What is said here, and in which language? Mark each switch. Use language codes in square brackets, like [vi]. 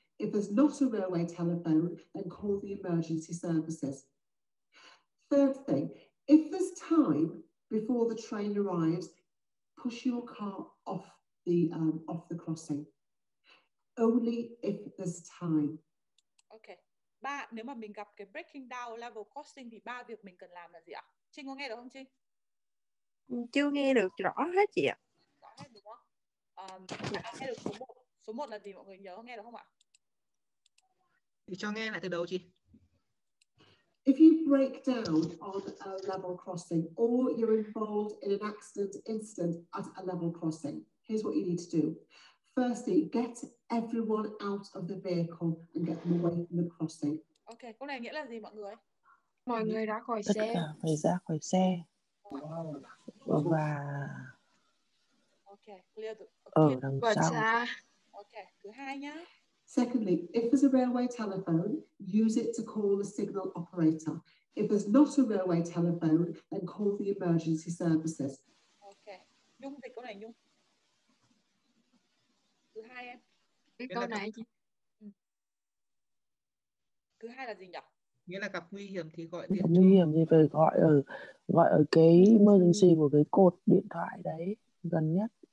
[en] If there's not a railway telephone, then call the emergency services. Third thing, if there's time before the train arrives, push your car off the crossing. Only if there's time. Okay. [vi] Ba, nếu mà mình gặp cái [en] breaking down level crossing [vi] thì ba việc mình cần làm là gì ạ? Trinh có nghe được không Trinh? Chưa nghe được rõ hết chị ạ. Rõ hết đúng không? Nghe được số 1. Số 1 là gì mọi người nhớ nghe được không ạ? Thì cho nghe lại từ đầu chị. [en] If you break down on a level crossing or you're involved in an accident incident at a level crossing, here's what you need to do. Firstly, get everyone out of the vehicle and get them away from the crossing. [vi] Okay, câu này nghĩa là gì mọi người? Mọi người ra khỏi xe. Tất cả phải ra khỏi xe. Và [en] okay, clear. [vi] Okay. Ở đằng sau. Okay, thứ hai nhá. [en] Secondly, if there's a railway telephone, use it to call the signal operator. If there's not a railway telephone, then call the emergency services. Okay. [vi] Nhung dịch câu này Nhung. Thứ hai em. Câu này chị. Thứ hai là gì nhỉ? Nghĩa là gặp nguy hiểm thì gọi điện. Nguy hiểm thì phải gọi ở cái emergency của cái cột điện thoại đấy gần nhất.